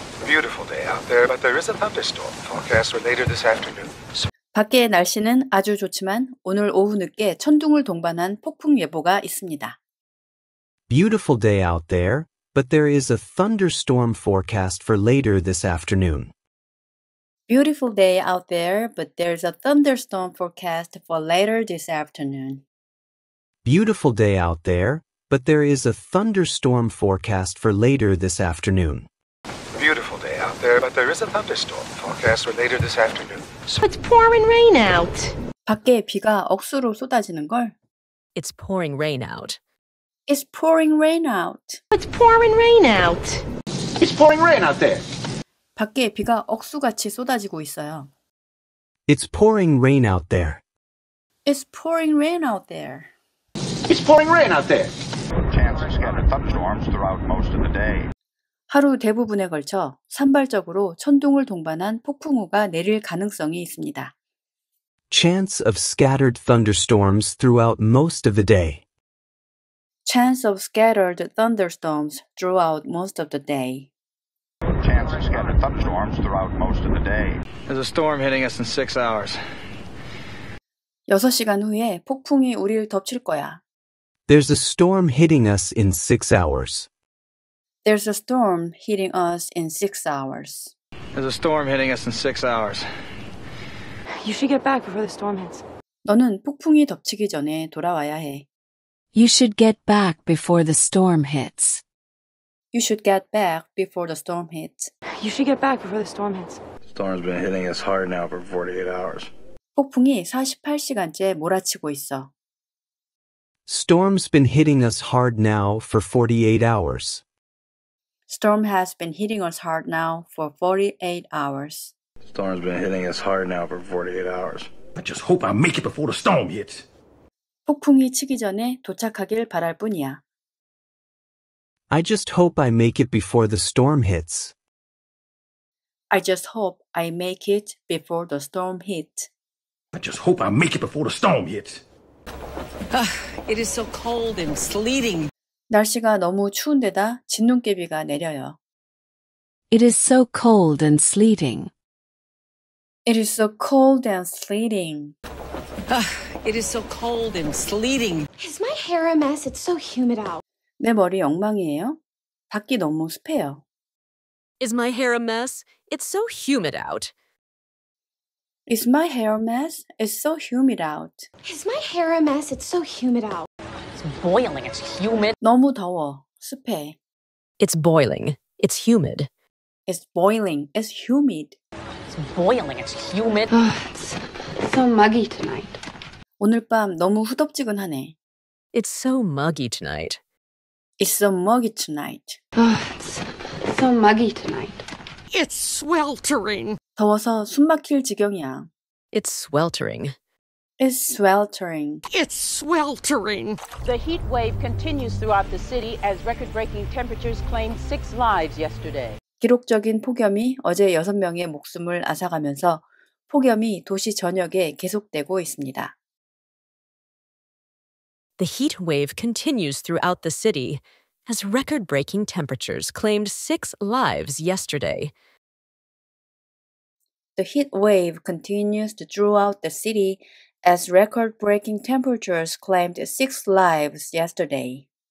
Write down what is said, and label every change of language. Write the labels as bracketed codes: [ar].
[en] Beautiful day out there, but there is a thunderstorm forecast for later this afternoon. [ko] 밖에 날씨는 아주 좋지만 오늘 오후 늦게 천둥을 동반한 폭풍 예보가 있습니다. [en] Beautiful day out there, but there is a thunderstorm forecast for later this afternoon. Beautiful day out there, but there's a thunderstorm forecast for later this afternoon. Beautiful day out there, but there is a thunderstorm forecast for later this afternoon. Beautiful day out there, but there is a thunderstorm forecast for later this afternoon. It's pouring rain out. [ko] 밖에 비가 억수로 쏟아지는 걸. [en] It's pouring rain out. It's pouring rain out. It's pouring rain out. It's pouring rain out there. [ko] 밖에 비가 억수같이 쏟아지고 있어요. [en] It's pouring rain out there. It's pouring rain out there. It's pouring rain out there. Chance of scattered thunderstorms throughout most of the day. [ko] 하루 대부분에 걸쳐 산발적으로 천둥을 동반한 폭풍우가 내릴 가능성이 있습니다. [en] Chance of scattered thunderstorms throughout most of the day. Chance of scattered thunderstorms throughout most of the day. Thunderstorms throughout most of the day. There's a storm hitting us in 6 hours. [ko] 6시간 후에 폭풍이 우리를 덮칠 거야. [en] There's a storm hitting us in 6 hours. There's a storm hitting us in 6 hours. There's a storm hitting us in 6 hours. You should get back before the storm hits. [ko] 너는 폭풍이 덮치기 전에 돌아와야 해. [en] You should get back before the storm hits. You should get back before the storm hits. You should get back before the storm hits. Storm's been hitting us hard now for 48 hours. [ko] 폭풍이 48시간째 몰아치고 있어. [en] Storm's been hitting us hard now for 48 hours. Storm has been hitting us hard now for 48 hours. Storm's been hitting us hard now for 48 hours. I just hope I make it before the storm hits. [ko] 폭풍이 치기 전에 도착하길 바랄 뿐이야. [en] I just hope I make it before the storm hits. I just hope I make it before the storm hits. I just hope I make it before the storm hits. It is so cold and sleeting. [ko] 날씨가 너무 추운데다 진눈깨비가 내려요. [en] It is so cold and sleeting. It is so cold and sleeting. It is so cold and sleeting. Is my hair a mess? It's so humid out. [ko] 내 머리 엉망이에요. 밖이 너무 습해요. [en] Is my hair a mess? It's so humid out. Is my hair a mess? It's so humid out. Is my hair a mess? It's so humid out. It's boiling. It's humid. [ko] 너무 더워. 습해. [en] It's boiling. It's humid. It's boiling. It's humid. It's boiling. It's humid. It's so muggy tonight. [ko] 오늘 밤 너무 후덥지근하네. [en] It's so muggy tonight. It's so muggy tonight. It's so muggy tonight. It's sweltering. [ko] 더워서 숨 막힐 지경이야. [en] It's sweltering. It's sweltering. It's sweltering. The heat wave continues throughout the city as record-breaking temperatures claimed 6 lives yesterday. [ko] 기록적인 폭염이 어제 6명의 목숨을 앗아가면서 폭염이 도시 전역에 계속되고 있습니다. [en] The heat wave continues throughout the city as record-breaking temperatures claimed 6 lives yesterday. The heat wave continues throughout the city as record-breaking temperatures claimed 6 lives yesterday.